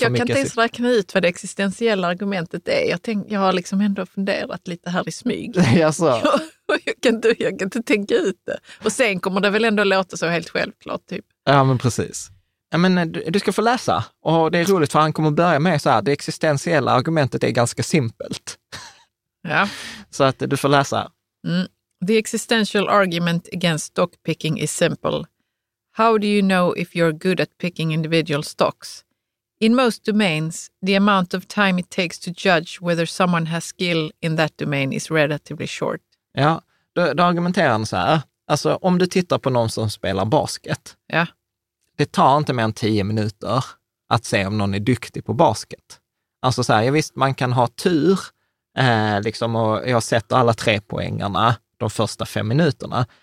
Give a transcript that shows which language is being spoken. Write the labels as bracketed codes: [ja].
[sv] Jag kan inte ens räkna ut vad det existentiella argumentet är. Jag har liksom ändå funderat lite här i smyg. Alltså. Jag kan inte tänka ut det. Och sen kommer det väl ändå låta så helt självklart typ. Ja, men precis. Men du ska få läsa. Och det är roligt för han kommer börja med så här, det existentiella argumentet är ganska simpelt. Ja. Så att du får läsa. [en] The existential argument against stock picking is simple. How do you know if you're good at picking individual stocks? In most domains, the amount of time it takes to judge whether someone has skill in that domain is relatively short. [sv] Ja, då argumenterar han så här. Alltså om du tittar på någon som spelar basket. Ja. Det tar inte mer än 10 minuter att se om någon är duktig på basket. Alltså så här, ja visst, man kan ha tur. Liksom, och jag har sett alla 3 poängarna de första 5 minuterna.